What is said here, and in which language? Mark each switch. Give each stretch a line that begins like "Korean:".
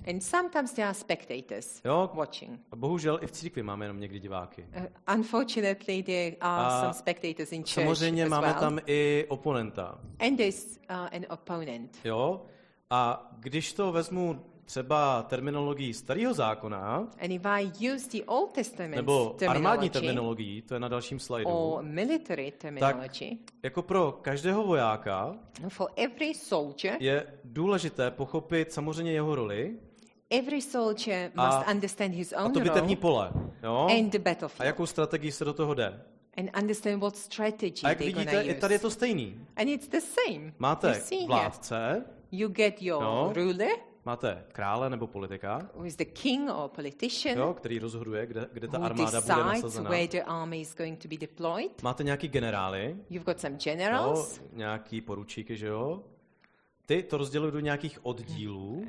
English: And sometimes there are spectators watching.
Czech: A bohužel i v církvi máme jenom někdy diváky.
English: Unfortunately there are some spectators in church.
Czech: Samozřejmě máme
English: as well.
Czech: Tam i oponenta.
English: And there's an opponent. Jo.
Czech: A když to vezmu třeba terminologii starého zákona,
English: and if I use the Old Testament
Czech: nebo armádní terminologii, to je na dalším slajdu,
English: or military terminology,
Czech: tak jako pro každého vojáka
English: for every soldier,
Czech: je důležité pochopit samozřejmě jeho roli
English: every soldier must understand his own
Czech: a to bitevní pole, jo?
English: And the battlefield.
Czech: A jakou strategii se do toho jde.
English: And understand what strategy
Czech: a jak vidíte, I tady je to stejný.
English: And it's the same.
Czech: Máte vládce,
English: you get your ruler.
Czech: Máte krále nebo politika?
English: Who is the king or politician?
Czech: Jo, který rozhoduje, kde ta armáda bude nasazena.
English: Where the army is going to be deployed?
Czech: Máte nějaký generály?
English: You've got some generals.
Czech: Jo, nějaký poručíky, že jo? Ty to rozdělují do nějakých oddílů.